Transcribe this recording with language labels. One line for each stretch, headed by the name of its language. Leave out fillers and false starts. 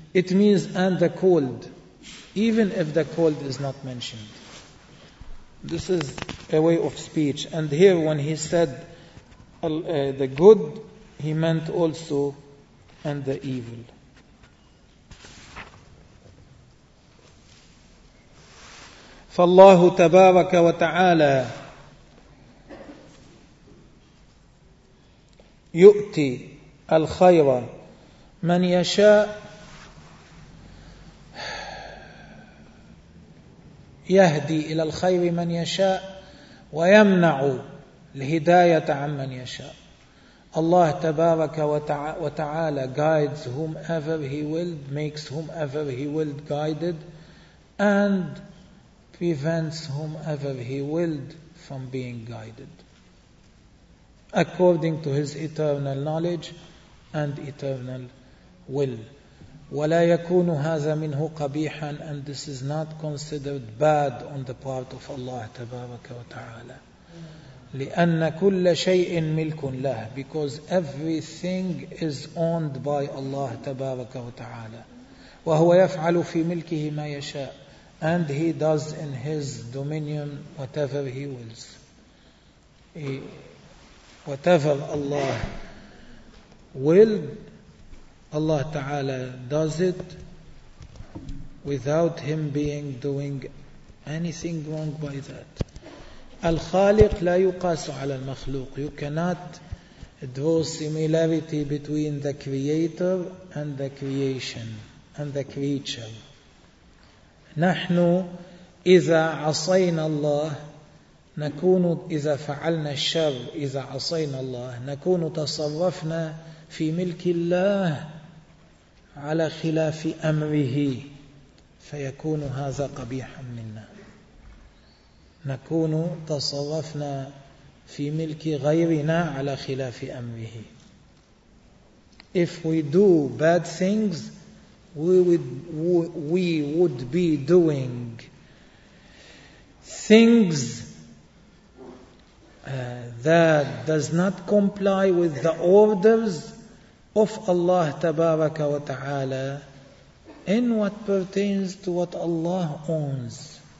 English: It means and the cold, even if the cold is not mentioned. This is a way of speech. And here when he said the good, he meant also and the evil.
Arabic: فالله تبارك وتعالى يؤتي الخير من يشاء. يهدي إلى الخير من يشاء ويمنع الهداية عمن يشاء. الله تبارك وتعالى
English: guides whomever he willed, makes whomever he willed guided, and prevents whomever he willed from being guided, according to his eternal knowledge and eternal will.
Arabic: ولا يكون هذا منه قبيحا,
English: and this is not considered bad on the part of Allah
Arabic: تبارك وتعالى. لأن كل شيء ملك له,
English: because everything is owned by Allah
Arabic: تبارك وتعالى. وهو يفعل في ملكه ما يشاء,
English: and he does in his dominion whatever he wills. Whatever Allah will, Allah Ta'ala does it without him being doing anything wrong by that.
Arabic: Al-Khaliq la yuqasu ala al-makhluq.
English: You cannot draw similarity between the creator and the creation and the creature.
Arabic: نحن إذا عصينا الله نكون, إذا فعلنا الشر, إذا عصينا الله نكون تصرفنا في ملك الله على خلاف أمره فيكون هذا قبيحا منا. نكون تصرفنا في ملك غيرنا على خلاف أمره.
English: If we do bad things, we would be doing things that does not comply with the orders of Allah
Arabic: Tabaraka wa Ta'ala
English: in what pertains to what Allah owns.